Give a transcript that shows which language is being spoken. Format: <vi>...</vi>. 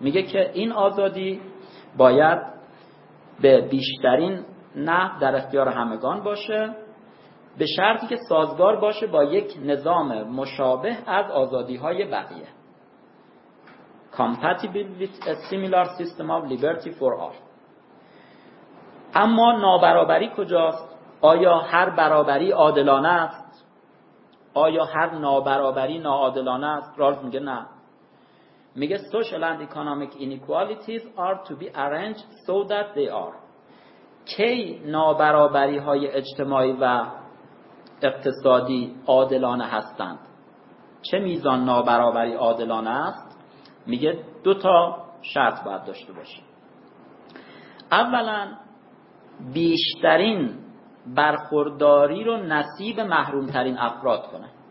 <fa>میگه که این آزادی باید به بیشترین نحو در اختیار همگان باشه، به شرطی که سازگار باشه با یک نظام مشابه از آزادی های بقیه،</fa> <en>compatible with a similar system of liberty for all.</en> <fa>اما نابرابری کجاست؟ آیا هر برابری عادلانه است؟ آیا هر نابرابری ناعادلانه است؟ رالز میگه نه. میگه</fa> <en>social and economic inequalities are to be arranged so that they are.</en> <fa>کی نابرابری های اجتماعی و اقتصادی عادلانه هستند؟ چه میزان نابرابری عادلانه است؟ میگه دو تا شرط باید داشته باشه. اولا بیشترین برخورداری رو نصیب محروم ترین افراد کنه.</fa>